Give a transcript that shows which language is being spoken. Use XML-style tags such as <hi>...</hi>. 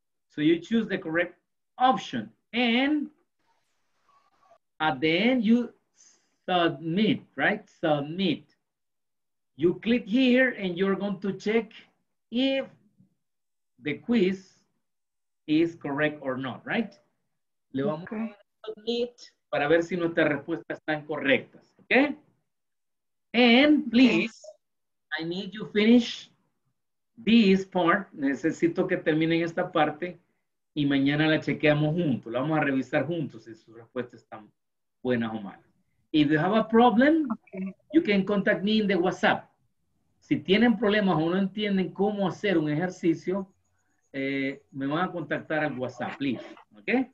<en>So you choose the correct option. And at the end, you submit, right? Submit. You click here and you're going to check if the quiz is correct or not, right?</en> <es>Le vamos a submit para ver si nuestras respuestas están correctas, okay?</es> <en>And please, okay. I need you finish this part.</en> <es>Necesito que terminen esta parte y mañana la chequeamos juntos. La vamos a revisar juntos si sus respuestas están buenas o malas.</es> <en>If you have a problem, you can contact me in the WhatsApp.</en> <es>Si tienen problemas o no entienden cómo hacer un ejercicio, me van a contactar al WhatsApp, please. ¿Ok?</es>